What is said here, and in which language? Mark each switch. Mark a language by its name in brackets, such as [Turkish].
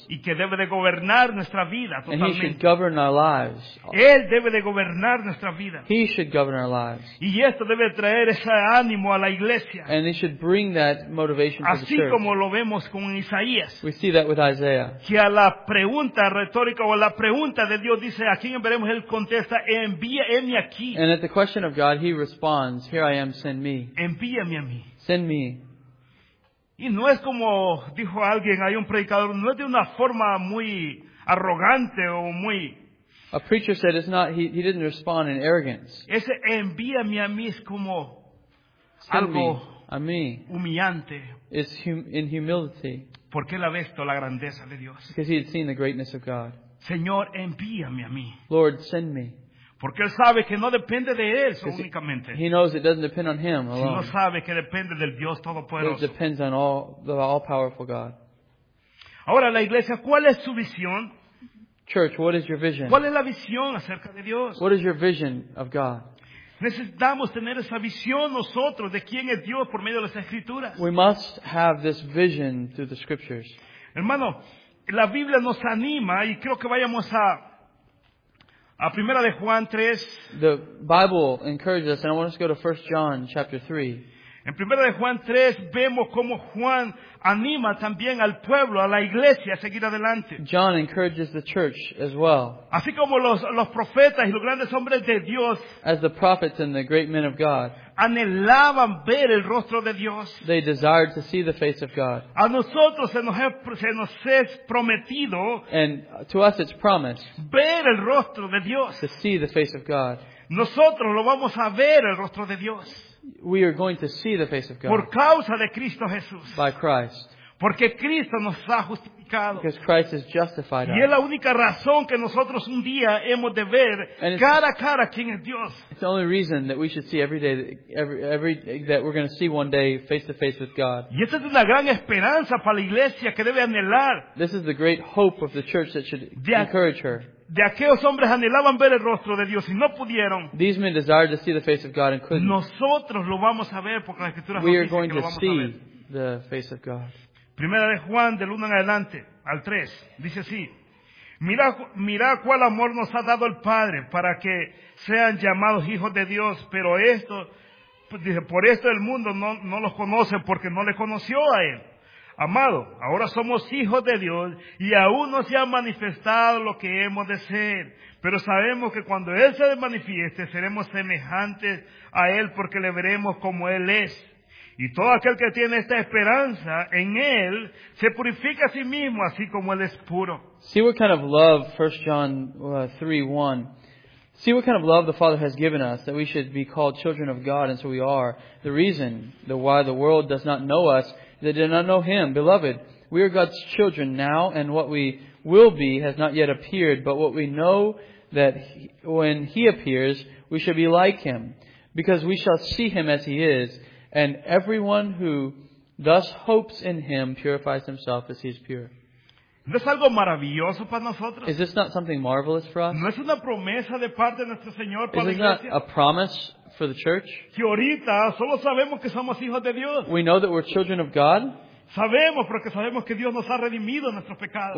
[Spanish] Y que debe de gobernar nuestra vida totalmente. [English] And he should govern our lives. [Spanish] Él debe de gobernar nuestra vida. [English] He should govern our lives. [Spanish] Y esto debe traer ese ánimo a la iglesia. [English] And it should bring that motivation to the church. [Spanish] Así como lo vemos con Isaías. [English] We see that with Isaiah. [Spanish] Que a la pregunta retórica o a la pregunta de Dios dice, ¿a quién veremos? Él contesta. Envíame aquí. [English] And at the question of God, he responds, here I am, send me. [Spanish] Envíame a mí. [English] Send me. [Spanish] Y no es como dijo alguien, hay un predicador, no es de una forma muy arrogante o muy... [English] A preacher said it's not, he didn't respond in arrogance. [Spanish] Ese envíame a mí es como [English] send [Spanish] algo me, a mí. Humillante. [English] It's in humility. [Spanish] Porque él ha visto la grandeza de Dios. [English] Because he had seen the greatness of God. [Spanish] Señor, envíame a mí. [English] Lord, send me. [Spanish] Porque él sabe que no depende de él únicamente. [English] He knows it doesn't depend on him alone. [Spanish] Sino sabe que depende del Dios Todopoderoso. [English] It depends on the all-powerful God. [Spanish] Ahora, la iglesia, ¿cuál es su visión? [English] Church, what is your vision? [Spanish] ¿Cuál es la visión acerca de Dios? [English] What is your vision of God? [Spanish] Necesitamos tener esa visión nosotros de quién es Dios por medio de las Escrituras. [English] We must have this vision through the Scriptures. [Spanish] Hermano, la Biblia nos anima y creo que vayamos a Primera de Juan 3. [English] The Bible encourages us and I want us to go to 1 John chapter 3. [Spanish] En Primera de Juan 3 vemos cómo Juan anima también al pueblo, a la iglesia a seguir adelante. [English] John encourages the church as well. [Spanish] Así como los profetas y los grandes hombres de Dios. [English] As the prophets and the great men of God. [Spanish] Anhelaban ver el rostro de Dios. [English] They desired to see the face of God. [Spanish] A nosotros se nos es prometido. [English] And to us it's promised. [Spanish] Ver el rostro de Dios. [English] To see the face of God. [Spanish] Nosotros lo vamos a ver el rostro de Dios. [English] We are going to see the face of God. [Spanish] Por causa de Cristo Jesús. [English] By Christ. [Spanish] Porque Cristo nos ha justificado. [English] Because Christ has justified us. [Spanish] Y es la única razón que nosotros un día hemos de ver cara a cara quién es Dios. [English] It's the only reason that we should see every day, that we're going to see one day face to face with God. [Spanish] Y esa es una gran esperanza para la iglesia que debe anhelar. [English] This is the great hope of the church that should encourage her. [Spanish] de aquellos hombres anhelaban ver el rostro de Dios y no pudieron. [English] These men desired to see the face of God and couldn't. [Spanish] Nosotros lo vamos a ver porque la Escritura nos dice que lo vamos a ver. [English] We are going to see the face of God. [Spanish] Primera de Juan, del 1 en adelante, al 3, dice así. Mira cuál amor nos ha dado el Padre para que sean llamados hijos de Dios, pero esto, dice, por esto el mundo no los conoce porque no le conoció a él. Amado, ahora somos hijos de Dios y aún no se ha manifestado lo que hemos de ser, pero sabemos que cuando Él se manifieste seremos semejantes a Él porque le veremos como Él es. Y todo aquel que tiene esta esperanza en Él se purifica a sí mismo así como Él es puro. [English] See what kind of love 1 John 3:1. See what kind of love the Father has given us, that we should be called children of God, and so we are. The reason why the world does not know us, they did not know Him. Beloved, we are God's children now, and what we will be has not yet appeared, but what we know that when He appears, we shall be like Him, because we shall see Him as He is, and everyone who thus hopes in Him purifies himself as He is pure. [Spanish] ¿No es algo maravilloso para nosotros? [English] Is this not something marvelous for us? [Spanish] ¿No es una promesa de parte de nuestro Señor para la iglesia? [English] Is this not a promise for the church? [Spanish] Si ahorita solo sabemos que somos hijos de Dios. [English] We know that we're children of God. [Spanish] Sabemos porque sabemos que Dios nos ha redimido de nuestros pecados.